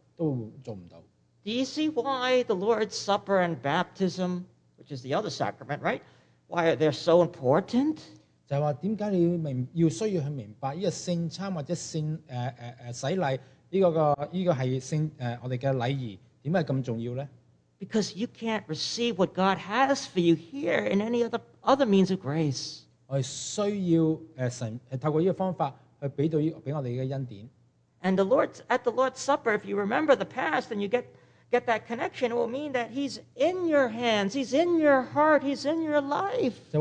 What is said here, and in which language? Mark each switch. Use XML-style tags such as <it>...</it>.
<en>Do you see why the Lord's Supper and baptism, which is the other sacrament, right? Why are they so important?</en> <zh>就是说为什么要需要去明白这个圣餐或者洗礼，这个是我们的礼仪，为什么这么重要呢？</zh> <en>Because you can't receive what God has for you here in any other means of grace.</en> <zh>我们需要神透过这个方法去给我们的恩典。</zh> <en>And the Lord's, at the Lord's Supper, if you remember the past and you get that connection, it will mean that He's in your hands, He's in your heart, He's in your life.</en>